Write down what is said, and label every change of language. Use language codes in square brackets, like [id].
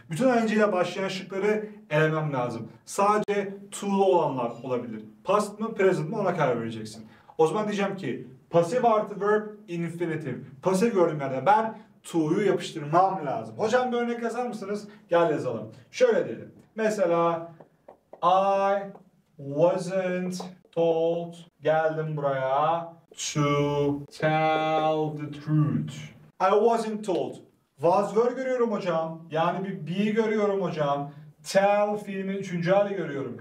[tr] Bütün önceyle başlayan şıkları elemem lazım. Sadece tuğla olanlar olabilir. Past mı, present mi ona karar vereceksin. O zaman diyeceğim ki passive artı verb infinitive. Pasif gördüğüm yerde ben to'yu yapıştırmam lazım. Hocam bir örnek yazar mısınız? Gel yazalım. Şöyle dedim. Mesela [en] I wasn't told, [tr] geldim buraya, [en] to tell the truth. I wasn't told. [tr] Was verb görüyorum hocam. Yani bir be görüyorum hocam. Tell fiilimin üçüncü hali görüyorum.